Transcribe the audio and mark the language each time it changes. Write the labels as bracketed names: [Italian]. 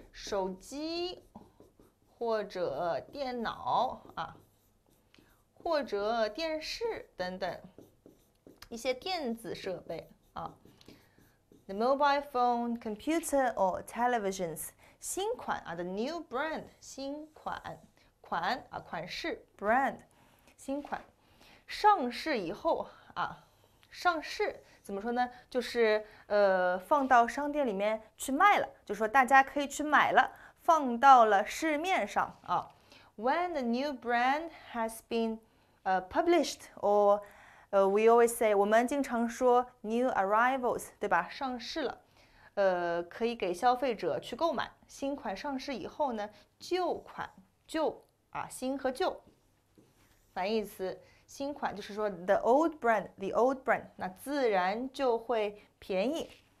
[Chinese] 手机或者电脑啊，或者电视等等一些电子设备啊， [English] the mobile phone, computer or televisions [Chinese] 新款啊， [English] the new brand [Chinese] 新款啊款式 brand 新款上市以后啊，上市。怎么说呢？就是放到商店里面去卖了，就说大家可以去买了，放到了市面上啊。 [English] When the new brand has been published, or we always say [Chinese] 我们经常说 [English] new arrivals， [Chinese] 对吧？上市了，可以给消费者去购买。新款上市以后呢，旧款旧啊，新和旧，反义词。新款就是说 [English] the old brand，the old brand， [Chinese] 那自然就会便宜。